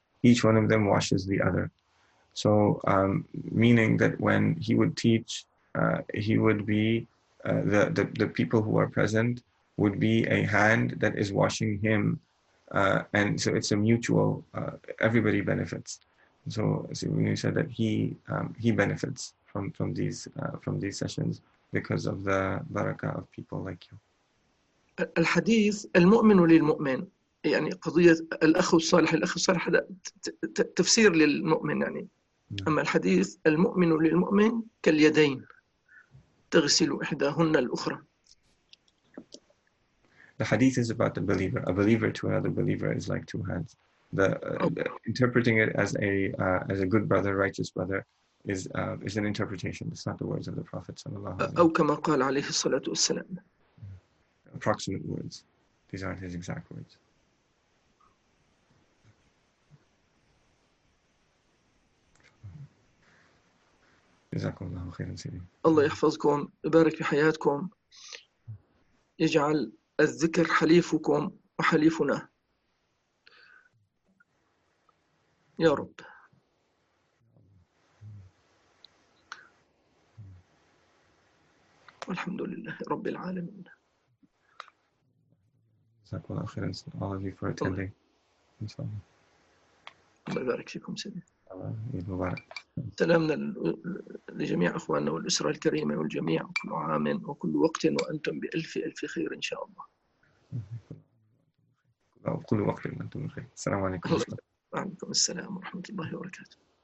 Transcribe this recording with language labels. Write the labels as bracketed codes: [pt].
[en] Each one of them washes the other. So, meaning that when he would teach, he would be the people who are present would be a hand that is washing him, and so it's a mutual, everybody benefits. So Sivinu said that he benefits from these sessions because of the barakah of people like you. [ar] الحديث المؤمن للمؤمن، يعني قضية الأخ الصالح الأخ الصالح، هذا تفسير للمؤمن يعني. أما الحديث المؤمن للمؤمن كاليدين تغسل إحداهن الأخرى. [en] The hadith is about the believer. A believer to another believer is like two hands. Interpreting it as a good brother, righteous brother, is an interpretation. It's not the words of the Prophet sallallahu alaihi wasallam. [ar] أو كما قال عليه الصلاة والسلام. [en] Approximate words. These aren't his exact words. [ar] جزاكم الله خيرا سيدي. الله يحفظكم، يبارك في حياتكم، يجعل الذكر حليفكم وحليفنا يا رب. والحمد لله رب العالمين. JazakAllah khairan, [en] all of you for attending. [ar] InshaAllah. بارك فيكم سيدي. عيد مبارك. سلامنا لجميع أخواننا والأسرة الكريمة والجميع، كل عام وكل وقت وأنتم بألف ألف خير إن شاء الله. كل وقت وأنتم بخير. السلام عليكم. وعليكم السلام ورحمة الله وبركاته.